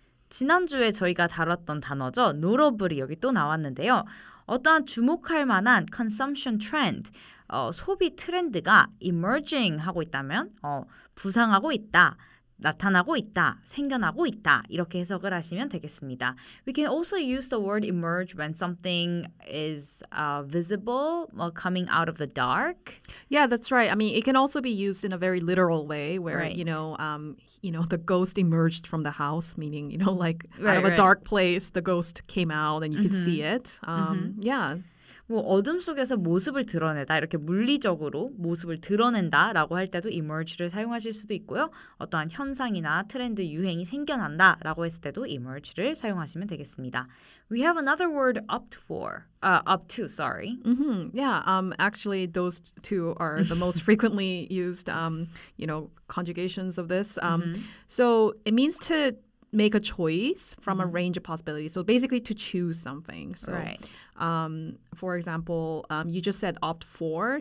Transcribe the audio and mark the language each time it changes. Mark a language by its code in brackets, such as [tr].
[ko] 지난주에 저희가 다뤘던 단어죠. Notable이 여기 또 나왔는데요. 어떠한 주목할 만한 consumption trend, 소비 트렌드가 emerging 하고 있다면 부상하고 있다, 나타나고 있다, 생겨나고 있다 이렇게 해석을 하시면 되겠습니다. [en] We can also use the word emerge when something is visible or coming out of the dark. Yeah, that's right. I mean, it can also be used in a very literal way where, right. you know, the ghost emerged from the house, meaning, you know, like out of a dark place, the ghost came out and you could see it. Yeah. [ko] 뭐 어둠 속에서 모습을 드러내다 이렇게 물리적으로 모습을 드러낸다라고 할 때도 emerge를 사용하실 수도 있고요. 어떠한 현상이나 트렌드 유행이 생겨난다라고 했을 때도 emerge를 사용하시면 되겠습니다. [en] We have another word opt for. Up to, sorry. Mm-hmm. Yeah, actually those two are the most frequently used conjugations of this. So it means to make a choice from a range of possibilities. So basically to choose something. So, for example, you just said opt for.